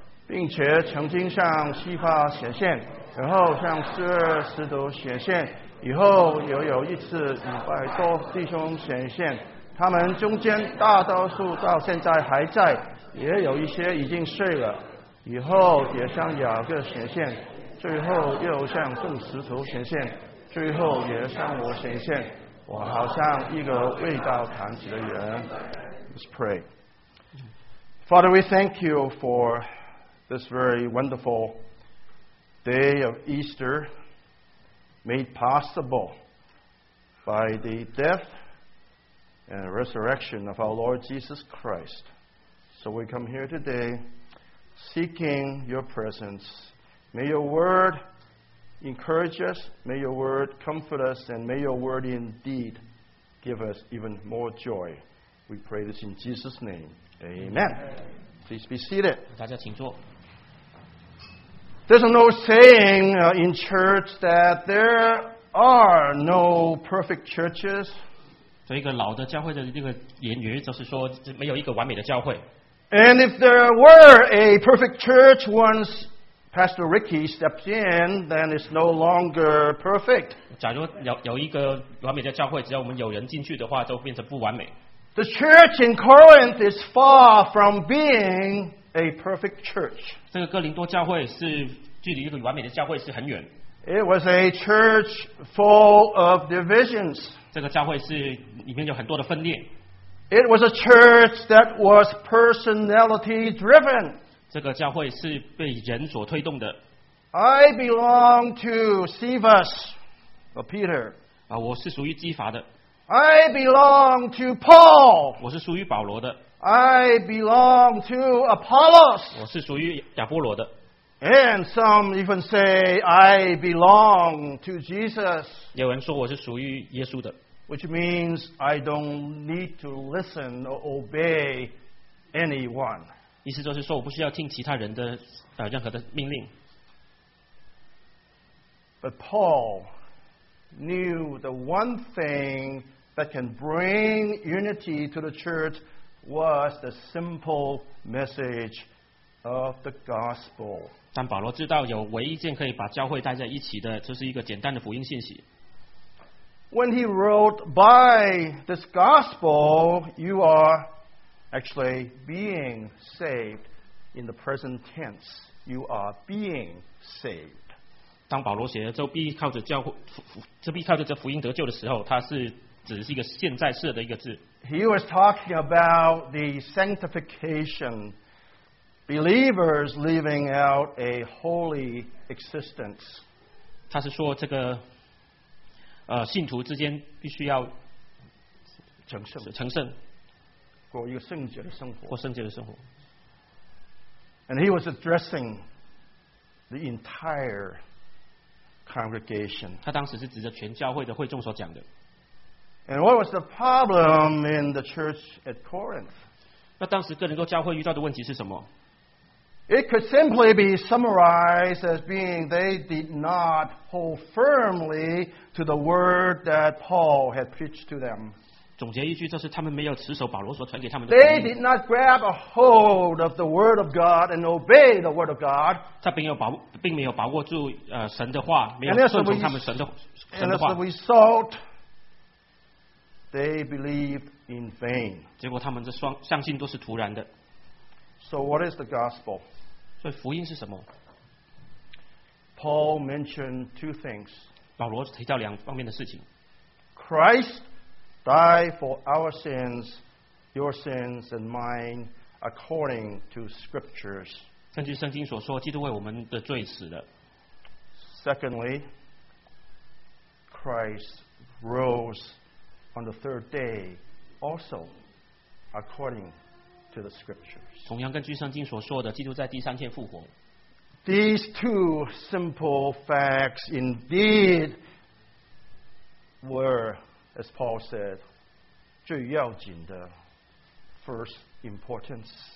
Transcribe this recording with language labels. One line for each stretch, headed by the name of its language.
Chinese: 并且曾经向西发显现，然后向12使徒显现，以后又有一次与百多弟兄显现，他们中间大多数到现在还在，也有一些已经睡了，以后也向雅各显现，最后又向众使徒显现，最后也向我显现，我好像一个未到堂子的人。
English: Let's pray. Father, we thank you for this very wonderful day of Easter made possible by the death and resurrection of our Lord Jesus Christ. So we come here today seeking your presence. May your word encourage us, may your word comfort us, and may your word indeed give us even more joy. We pray this in Jesus' name. Amen. Please be seated.
Chinese: 大家请坐。
English: There's an old saying in church that there are no perfect churches.
Chinese: 这个老的教会的这个言语就是说没有一个完美的教会。
English: And if there were a perfect church once Pastor Ricky stepped in, then it's no longer perfect.
Chinese: 假如有一个完美的教会，只要我们有人进去的话，就变成不完美。
English: The church in Corinth is far from being a perfect church.
Chinese: 这个哥林多教会是距离一个完美的教会是很远。
English: It was a church full of divisions.
Chinese: 这个教会是里面有很多的分裂。
English: It was a church that was personality driven.
Chinese: 这个教会是被人所推动的。
English: I belong to Cephas, or Peter.
Chinese: 我是属于基法的。
English: I belong to Paul.
Chinese: 我是属于保罗的。
English: I belong to Apollos.
Chinese: 我是属于亚波罗的。
English: And some even say I belong to Jesus.
Chinese: 有人说我是属于耶稣的。
English: Which means I don't need to listen or obey anyone.
Chinese: 意思就是说我不需要听其他人的任何的命令。
English: But Paul. Knew the one thing that can bring unity to the church was the simple message of the gospel.
Chinese: 但保罗知道有唯一件可以把教会带在一起的，就是一个简单的福音信息。
English: When he wrote, "By this gospel, you are actually being saved," in the present tense, you are being saved.
Chinese: 当保罗写的就必靠着教会，这必靠着这福音得救的时候，他是指的是一个现在式的一个字。
English: He was talking about the sanctification, believers living out a holy existence.
Chinese: 他是说这个，信徒之间必须要成圣，过一个圣洁的生活，过圣洁的生活。
English: And he was addressing the entire congregation.
Chinese: 他当时是指着全教会的会众所讲的。
English: And what was the problem in the church at Corinth?
Chinese: 那当时哥林多教会遇到的问题是什么？
English: It could simply be summarized as being they did not hold firmly to the word that Paul had preached to them.
Chinese: 总结一句，就是他们没有持守保罗所传给他们的。
English: They did not grab a hold of the word of God and obey the word of God.
Chinese: 他并没有把握住神的话，没有顺从他们神的话。
English: And as a result,They believed in vain.
Chinese: 结果他们这相信都是徒然的。
English: So what is the gospel?
Chinese: 所以福音是什么？
English: Paul mentioned two things.
Chinese: 保罗提到两方面的事情。
English: Christ died for our sins, your sins and mine, according to scriptures.
Chinese: 根据圣经所说，基督为我们的罪死了。
English: Secondly, Christ rose. On the third day, also according to the scriptures.
Chinese: 同样根据圣经所说的，基督在第三天复活。
English: These two simple facts indeed were, as Paul said,
Chinese: 最要紧的
English: first importance.